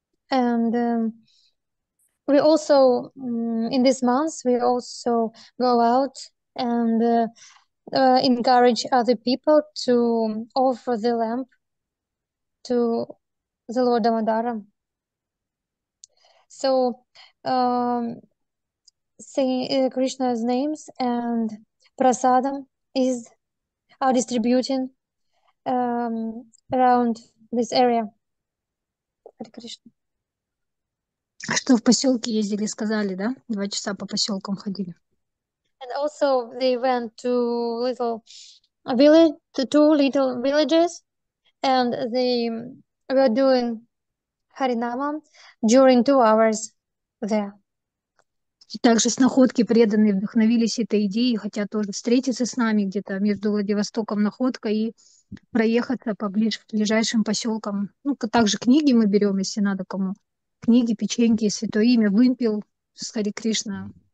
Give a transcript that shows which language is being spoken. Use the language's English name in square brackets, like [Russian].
[English] And we also, in this month, we also go out and encourage other people to offer the lamp to the Lord Damodara. So, saying Krishna's names and prasadam are distributing around this area. Hare Krishna. [Russian] Что в поселке ездили, сказали, да? 2 часа по поселкам ходили. [English] And also they went to little village, to two little villages, and they were doing Харинамам during 2 hours there. [Russian] И также Находки преданные вдохновились этой идеей, хотят тоже встретиться с нами где-то между Владивостоком, Находкой и проехаться по ближайшим поселкам. Ну, также книги мы берем, если надо кому. Книги, печеньки, святое имя, вымпел с Хари Кришна.